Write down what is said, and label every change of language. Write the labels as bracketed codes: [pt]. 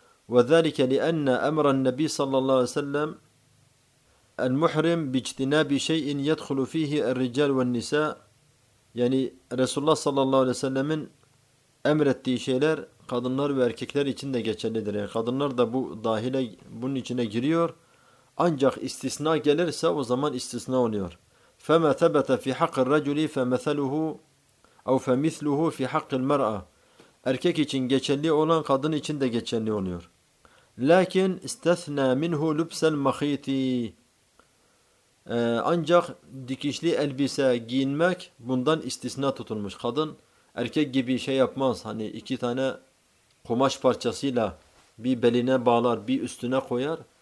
[ar] Ve zâlike li enne emran nebi sallallahu aleyhi ve sellem المحرم باجتناب شيء يدخل فيه الرجال والنساء. [tr] Yani Resulullah sallallahu aleyhi ve sellem'in emrettiği şeyler kadınlar ve erkekler için de geçerlidir. Yani kadınlar da bu dahile, bunun içine giriyor. Ancak istisna gelirse o zaman istisna oluyor. [ar] فَمَا ثَبَتَ فِي حَقِّ الرَّجُلِ فَمَثَلُهُ اَوْ فَمِثْلُهُ فِي حَقِّ الْمَرْأَةِ [tr] Erkek için geçerli olan kadın için de geçerli oluyor. [ar] لَكِنْ اِسْتَثْنَى مِنْهُ لُبْسَ الْمَخِيْتِ [tr] ancak dikişli elbise giyinmek bundan istisna tutulmuş. Kadın erkek gibi şey yapmaz. Hani iki tane kumaş parçasıyla bir beline bağlar, bir üstüne koyar.